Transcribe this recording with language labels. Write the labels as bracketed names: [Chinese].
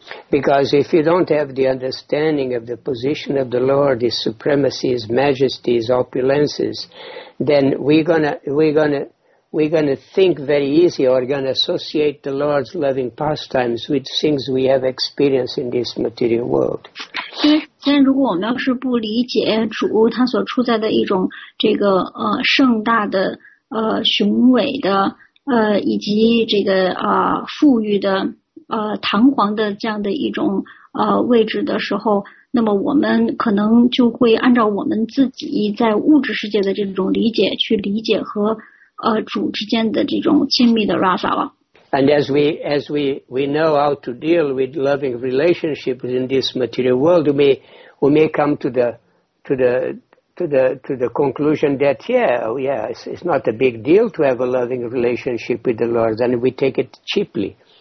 [English] Because if you don't have the understanding of the position of the Lord, His supremacy, His majesty, His opulences, then we're gonna think very easy, or gonna associate the Lord's loving pastimes with things we have experienced in this material world. [Chinese] 但如果我们要是不理解主他所处在的一种这个盛大的雄伟的以及这个富裕的堂皇的这样的一种位置的时候，那么我们可能就会按照我们自己在物质世界的这种理解去理解和主之间的这种亲密的 rasa 了。 [English] And as we know how to deal with loving relationships in this material world, we may come to the conclusion that it's not a big deal to have a loving relationship with the Lord, and we take it cheaply.